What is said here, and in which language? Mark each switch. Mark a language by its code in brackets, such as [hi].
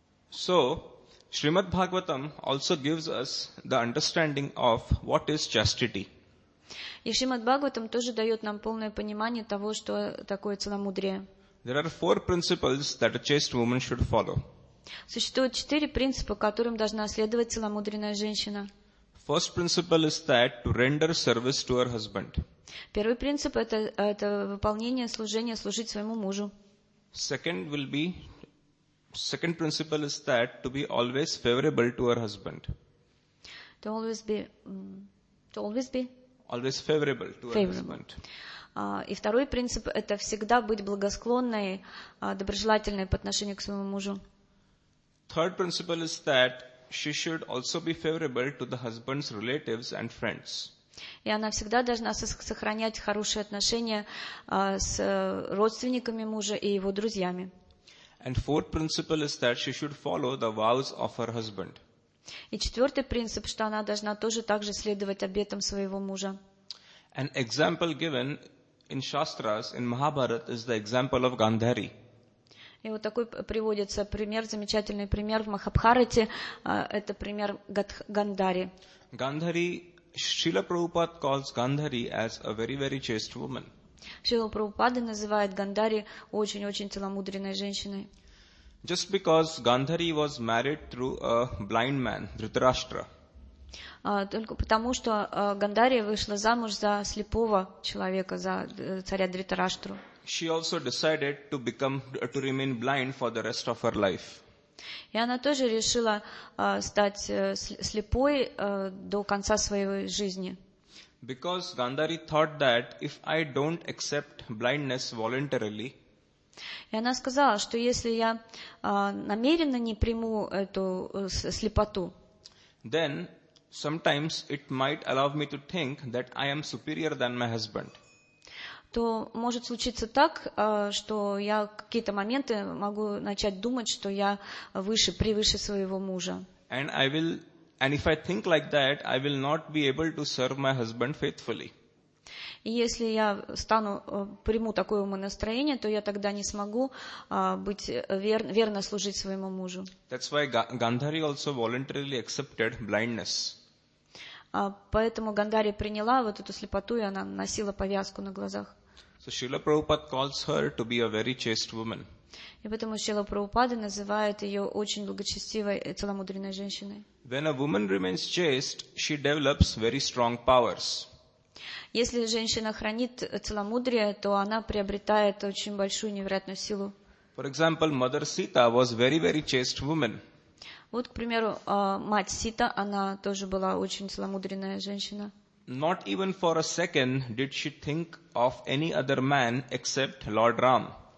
[en] So, Srimad Bhagavatam also gives us the understanding of what is chastity. [ru] И Шримад Бхагаватам тоже дает нам полное понимание того, что такое целомудрие. [en] There are four principles that a chaste woman should follow. [ru] Существует четыре принципа, которым должна следовать целомудренная женщина. [en] First principle is that to render service to her husband. [ru] Первый принцип это выполнение служения, служить своему мужу. [en] Second principle is that to be always favorable to her husband. Always favorable to her husband. [ru] И второй принцип это всегда быть благосклонной, доброжелательной по отношению к своему мужу. [en] Third principle is that she should also be favorable to the husband's relatives and friends. [ru] И она всегда должна сохранять хорошие отношения с родственниками мужа и его друзьями. [en] And fourth principle is that she should follow the vows of her husband. [ru] И четвертый принцип, что она должна тоже также следовать обетам своего мужа. [en] An example given in Shastras, in Mahabharata, is the example of Gandhari. [ru] И вот такой приводится пример, замечательный пример в Махабхарате, это пример Гандхари. [en] Гандхари, Шрила Прабхупада calls Gandhari as a very, very chaste woman. [ru] Шрила Прабхупада называет Гандхари очень-очень целомудренной женщиной. [en] Just because Gandhari was married through a blind man, Dhritarashtra. [ru] Только потому, что Гандхари вышла замуж за слепого человека, за царя Дхритараштру. [en] She also decided to become to remain blind for the rest of her life. [ru] И она тоже решила стать слепой до конца своей жизни. [en] Because Gandhari thought that if I don't accept blindness voluntarily. [ru] И она сказала, что если я намеренно не приму эту слепоту. [en] Then sometimes it might allow me to think that I am superior than my husband. [ru] То может случиться так, что я в какие-то моменты могу начать думать, что я выше, превыше своего мужа. [en] And if I think like that, I will not be able to serve my husband faithfully. [ru] И если я стану, приму такое умонастроение, то я тогда не смогу верно служить своему мужу. [en] That's why Gandhari also voluntarily accepted blindness. [ru] Поэтому Гандхари приняла вот эту слепоту, и она носила повязку на глазах. [en] So Srila Prabhupada calls her to be a very chaste woman. [ru] И поэтому Шрила Прабхупада называет ее очень благочестивой и целомудренной женщиной. [en] When a woman remains chaste, she develops very strong powers. [ru] Если женщина хранит целомудрие, то она приобретает очень большую невероятную силу. [en] For example, Mother Sita was very, very chaste woman. [ru] Вот, к примеру, мать Сита, она тоже была очень целомудренная женщина. [en] Not even for a second did she think of any other man except Lord Ram.